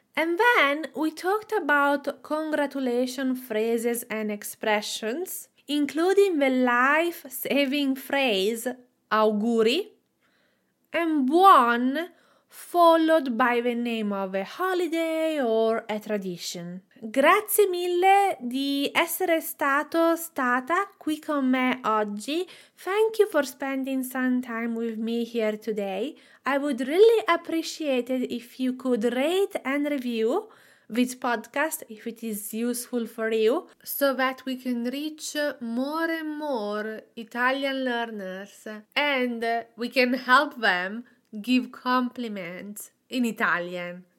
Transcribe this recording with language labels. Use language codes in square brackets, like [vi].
[en] And then we talked about congratulation phrases and expressions, including the life-saving phrase auguri and buon followed by the name of a holiday or a tradition. [it] Grazie mille di essere stato stata qui con me oggi. [en] Thank you for spending some time with me here today. I would really appreciate it if you could rate and review this podcast if it is useful for you, so that we can reach more and more Italian learners and we can help them give compliments in Italian.